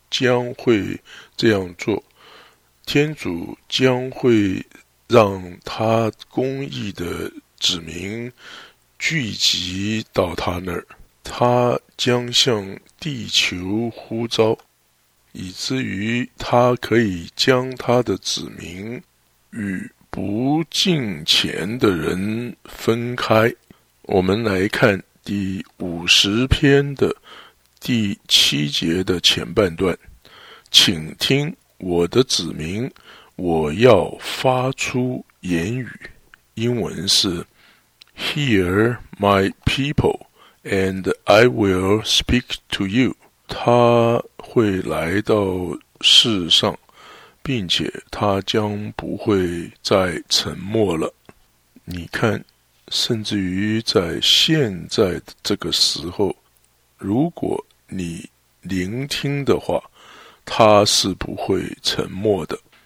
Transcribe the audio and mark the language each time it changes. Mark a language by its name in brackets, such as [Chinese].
[Chinese] 将会这样做，天主将会让他公义的子民聚集到他那儿，他将向地球呼召，以至于他可以将他的子民与不敬虔的人分开。我们来看第50篇的第7节的前半段，请听我的子民，我要发出言语。英文是 [English] Hear my people and I will speak to you。 [Chinese] 他会来到世上，并且他将不会再沉默了。你看，甚至于在现在的这个时候，如果你聆听的话，他是不会沉默的。